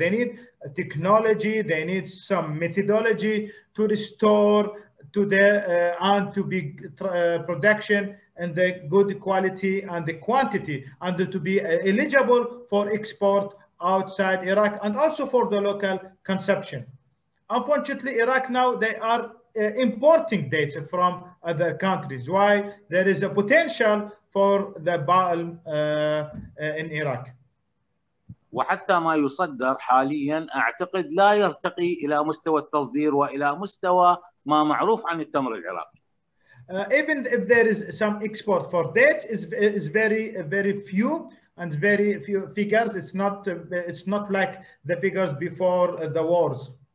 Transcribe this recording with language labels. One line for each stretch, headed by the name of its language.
English: They need a technology, they need some methodology to restore to the and to be production and the good quality and the quantity, and to be eligible for export outside Iraq and also for the local consumption. Unfortunately, Iraq now, they are importing dates from other countries. Why? There is a potential for the Baal in Iraq.
Arabic: وحتى ما يصدر حاليا أعتقد لا يرتقي إلى مستوى التصدير وإلى مستوى ما معروف عن التمر العراقي.
English: Even if there is some export for dates, is very very few and very few figures. It's not like the figures before the wars.